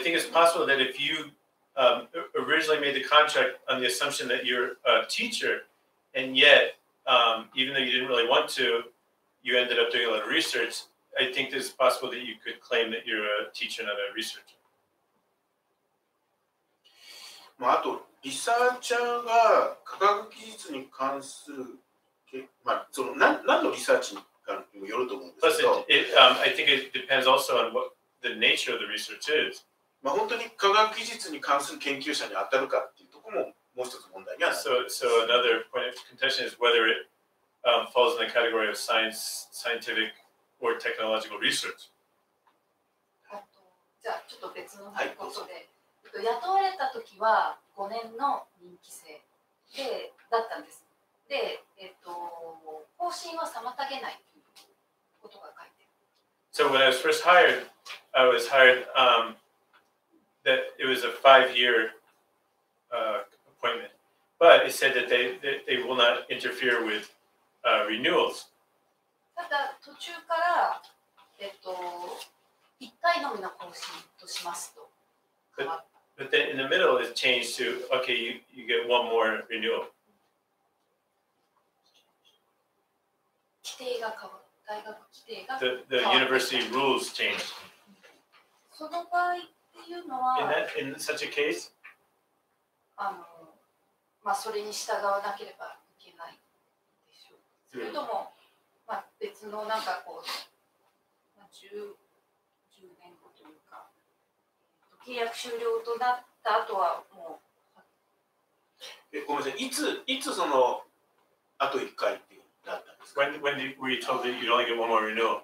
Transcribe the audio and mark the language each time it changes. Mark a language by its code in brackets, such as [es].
[en] But I think it's possible that if you, originally made the contract on the assumption that you're a teacher, and yet, even though you didn't really want to, you ended up doing a lot of research, I think it's possible that you could claim that you're a teacher, not a researcher. [ja] まあ、あと、リサーチャーが科学技術に関する、まあ、その何のリサーチにかにもよると思うんですけど、 [en] I think it depends also on what the nature of the research is. [ja] まあ本当に科学技術に関する研究者に当たるかっていうところももう一つ問題にはなります [en] 。 So another point of contention is whether it, falls in the category of science, scientific or technological research. [ja] じゃあちょっと別のことで。はい、どうぞ。雇われたときは5年の任期制でだったんです。で、更新は妨げないということが書いてある。 [en] So when I was first hired, I was hired, that it was a five-year, appointment. But it said that they will not interfere with, renewals. [ja] ただ途中から、1回のみの更新としますと変わった。 [en] But then in the middle, it changed to, okay, you get one more renewal. [ja] 規定が変わった。大学規定が変わった。 [en] The university rules changed. [ja] その場合っていうのは、 [en] in such a case? [ja] まあ、それに従わなければいけないでしょう。それとも、まあ、別のなんかこう、10年後というか、契約終了となった後はもう、ごめんなさい、いつその、あと1回ってなるんだったんですか。 [en] When did, were you told that you'd only get one more renewal?